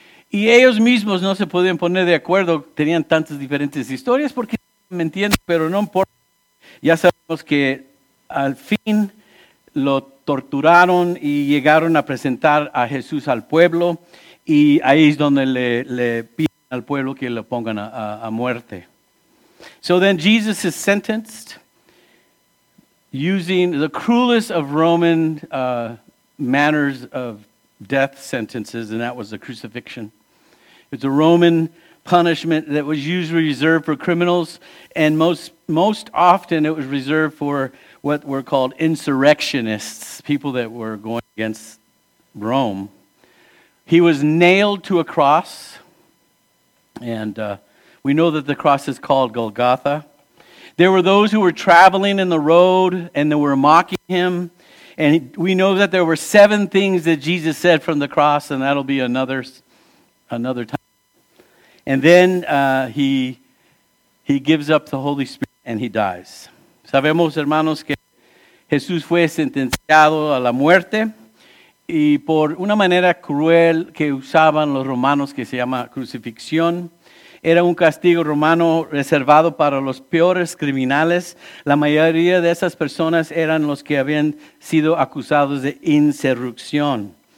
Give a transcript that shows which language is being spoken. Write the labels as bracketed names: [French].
[Spanish] Y ellos mismos no se podían poner de acuerdo, tenían tantas diferentes historias, porque me entiendo, pero no importa. Ya sabemos que al fin lo torturaron y llegaron a presentar a Jesús al pueblo, y ahí es donde le piden al pueblo que lo pongan a muerte. [English] So then Jesus is sentenced using the cruelest of Roman manners of death sentences, and that was the crucifixion. It's a Roman punishment that was usually reserved for criminals, and most often it was reserved for what were called insurrectionists, people that were going against Rome. He was nailed to a cross, and we know that the cross is called Golgotha. There were those who were traveling in the road, and they were mocking him. And we know that there were seven things that Jesus said from the cross, and that'll be another time. And then he gives up the Holy Spirit, and he dies. [Spanish] Sabemos, hermanos, que Jesús fue sentenciado a la muerte, y por una manera cruel que usaban los romanos, que se llama crucifixión. Era un castigo romano reservado para los peores criminales. La mayoría de esas personas eran los que habían sido acusados de insurrección.